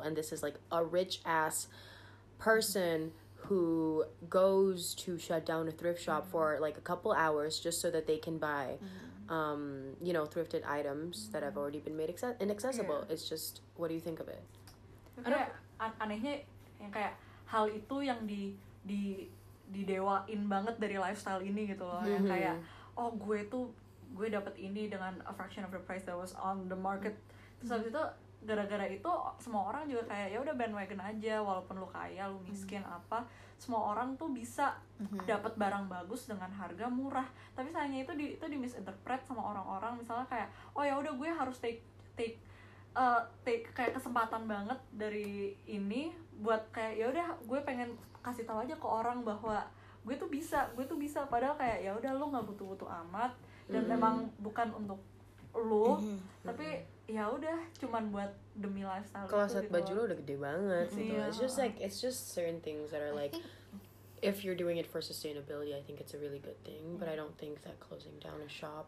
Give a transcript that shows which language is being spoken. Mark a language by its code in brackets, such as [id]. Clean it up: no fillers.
[en] And this is, like, a rich-ass person who goes to shut down a thrift shop for, like, a couple hours just so that they can buy, you know, thrifted items that have already been made inaccessible. Yeah. It's just, what do you think of it? Okay. [id] Anehnya yang kayak hal itu yang didewain banget dari lifestyle ini gitu loh, yang kayak oh gue dapat ini dengan [en] a fraction of the price that was on the market. [id] Terus habis itu gara-gara itu semua orang juga kayak ya udah bandwagon aja, walaupun lu kaya, lu miskin apa, semua orang tuh bisa dapat barang bagus dengan harga murah. Tapi sayangnya itu di misinterpret sama orang-orang, misalnya kayak oh ya udah gue harus take kayak kesempatan banget dari ini buat kayak ya udah gue pengen kasih tahu aja ke orang bahwa gue tuh bisa padahal kayak ya udah lu nggak butuh amat dan memang bukan untuk lu tapi ya udah cuman buat demi lifestyle. Kalau set baju lu udah gede banget gitu. Yeah. [en] It's just certain things that are like if you're doing it for sustainability, I think it's a really good thing. But I don't think that closing down a shop.